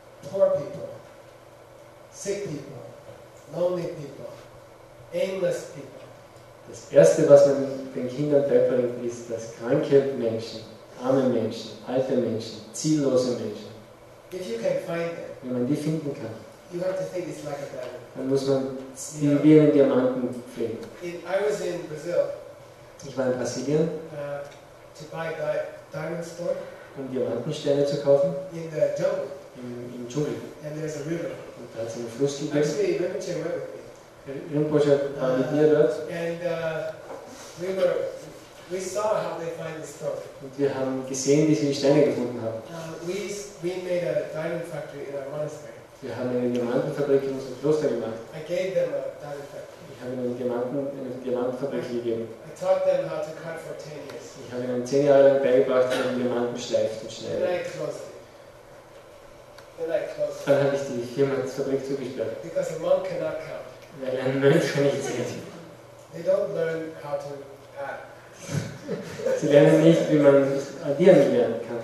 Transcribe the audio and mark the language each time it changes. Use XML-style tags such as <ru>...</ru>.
<en>Poor people, sick people, lonely people, aimless people.</en> <de>Das erste, was man den Kindern beibringt, ist, dass kranke Menschen, arme Menschen, alte Menschen, ziellose Menschen.</de> <en>If you can find them.</en> <de>Wenn man die finden kann.</de> <en>You have to think it's like a diamond.</en> <de>Dann muss man sie wie einen Diamanten pflegen.</de> <en>I was in Brazil.</en> <de>Ich war in Brasilien.</de> <en>To buy diamond store.</en> <de>Um Diamantensteine zu kaufen.</de> <en>In the jungle.</en> <de>Im Dschungel.</de> <en>And there's a river.</en> <de>Und da hat es einen Fluss gegeben.</de> <en>Actually, Rinpoche went with me.</en> <de>Rinpoche war mit mir dort.</de> <en>And we saw how they find the store.</en> <de>Und wir haben gesehen, wie sie die Steine gefunden haben.</de> <en>We made a diamond factory in our monastery.</en> <de>Wir haben eine Diamantenfabrik in unserem Kloster gemacht.</de> <en>I gave them a diamond factory.</en> <de>Ich habe ihnen eine Diamantenfabrik gegeben.</de> <en>I taught them how to cut for 10 years.</en> <de>Ich habe ihnen 10 Jahre lang beigebracht, wie man Diamanten schleift und schneidet.</de> <en>Then I closed it.</en> <de>Dann habe ich die Firmenfabrik zugesperrt.</de> <en>Because a monk cannot count.</en> <de>Weil ein Mönch kann nicht zählen.</de> <en>They don't learn how to add.</en> <de>Sie lernen nicht, wie man addieren lernen kann.</de>